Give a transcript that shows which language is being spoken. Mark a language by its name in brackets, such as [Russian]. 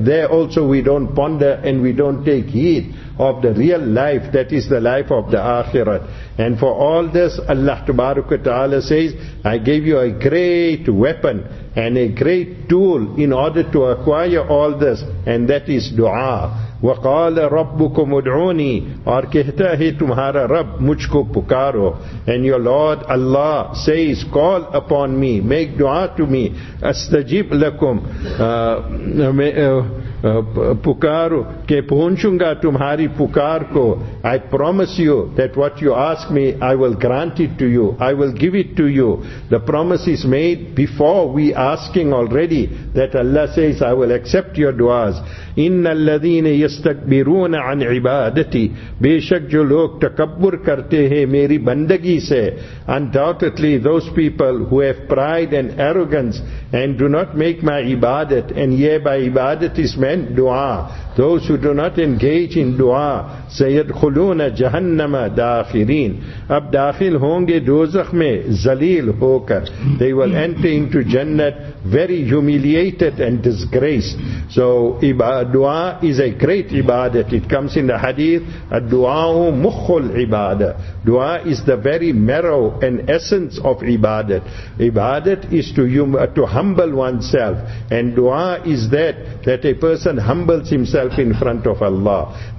[English] There also we don't ponder and we don't take heed of the real life, that is the life of the Akhirat. And for all this, Allah Tabaraka Ta'ala says, I gave you a great weapon and a great tool in order to acquire all this, and that is dua. [Arabic] وَقَالَ رَبُّكُمْ اُدْعُونِي. [Urdu] اور کہتا ہے تمہارا رب مجھ کو پکارو. [English] And your Lord Allah says, call upon me, make dua to me. [Arabic] أَسْتَجِبْ لَكُمْ [Urdu] پکارو کہ پہنچوں گا تمہاری پکار کو. [English] I promise you that what you ask me, I will grant it to you, I will give it to you. The promise is made before we asking already, that Allah says, I will accept your duas. [Arabic] إِنَّ الَّذِينَ يَسْتَكْبِرُونَ عَنْ عِبَادَتِ. [Urdu] بے شک جو لوگ تکبر کرتے ہیں میری بندگی سے. [English] Undoubtedly those people who have pride and arrogance and do not make my ibadat, and yeah, by ibadat is meant dua. Those who do not engage in dua, [Arabic] سَيَدْخُلُونَ جَهَنَّمَ دَاخِرِينَ. [Urdu] اب داخل ہوں گے دوزخ میں ذلیل ہو کر. [English] They will enter into Jannat very humiliated and disgraced. So dua is a great ibadat. It comes in the hadith, [Arabic] الدُعَاءُ مُخُّ الْعِبَادَةِ. [English] Dua is the very marrow and essence of ibadat. Ibadat is to humble oneself. And dua is that a person humbles himself in front of Allah.